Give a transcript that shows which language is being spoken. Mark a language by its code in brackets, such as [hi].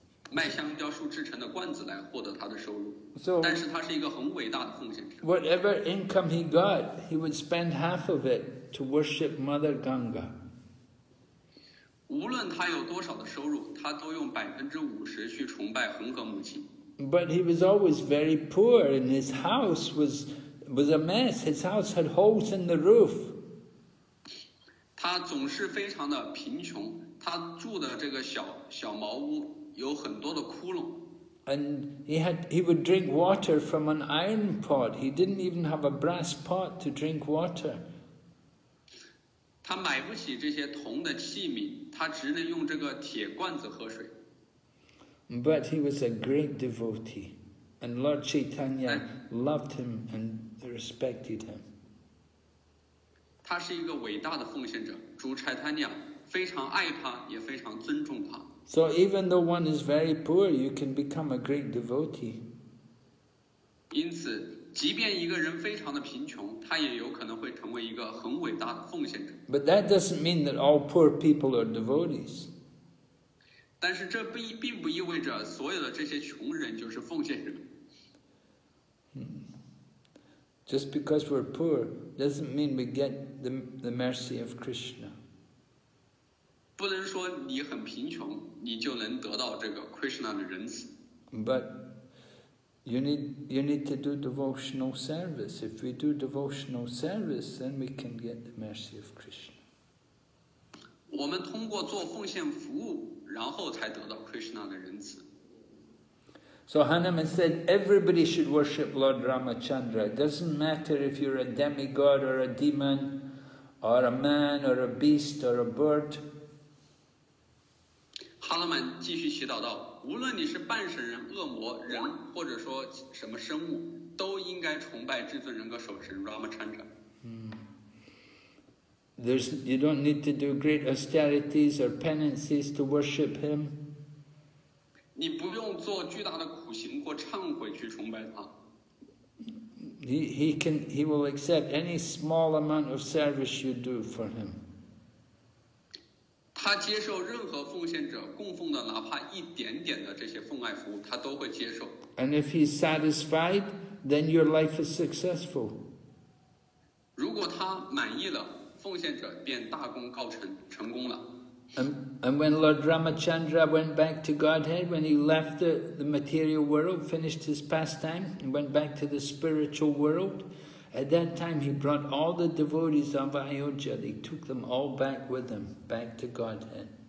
[zh] 卖香蕉树制成的罐子来获得他的收入。 [en] So, [zh] 但是他是一个很伟大的奉献者。 [en] Whatever income he got, he would spend half of it to worship Mother Ganga. [zh] 无论他有多少的收入，他都用50%去崇拜恒河母亲。 [en] But he was always very poor, and his house was a mess. His house had holes in the roof. [zh] 他总是非常的贫穷，他住的这个小茅屋。有很多的窟窿。 [en] And he would drink water from an iron pot. He didn't even have a brass pot to drink water. [zh] 他买不起这些铜的器皿，他只能用这个铁罐子喝水。 [en] But he was a great devotee, and Lord Chaitanya loved him and respected him. [zh] 他是一个伟大的奉献者，主 Chaitanya 非常爱他，也非常尊重他。 [en] So even though one is very poor, you can become a great devotee. [zh] 因此，即便一个人非常的贫穷，他也有可能会成为一个很伟大的奉献者。 [en] But that doesn't mean that all poor people are devotees. [zh] 但是这并不意味着所有的这些穷人就是奉献者。 [en] Just because we're poor doesn't mean we get the mercy of Krishna. [zh] 不能说你很贫穷，你就能得到这个 Krishna 的仁慈。 [en] But you need to do devotional service. If we do devotional service, then we can get the mercy of Krishna. [zh] 我们通过做奉献服务，然后才得到 Krishna 的仁慈。 [en] So Hanuman said, everybody should worship Lord Ramachandra. It doesn't matter if you're a demigod or a demon, or a man or a beast or a bird. [zh] Hanuman 继续祈祷道，无论你是半神人、恶魔、人，或者说什么生物，都应该崇拜至尊人格守神 Ramachandra. [en] You don't need to do great austerities or penances to worship him. [zh] 你不用做巨大的苦行或忏悔去崇拜他。 [en] He will accept any small amount of service you do for him. [zh] 他接受任何奉献者供奉的哪怕一点点的这些奉爱服务，他都会接受。 [en] And if he's satisfied, then your life is successful. [zh] 如果他满意了，奉献者便大功告成，成功了。 [en] And when Lord Ramachandra went back to Godhead, when he left the material world, finished his pastime, and went back to the spiritual world, at that time he brought all the devotees of Ayodhya, he took them all back with him, back to Godhead.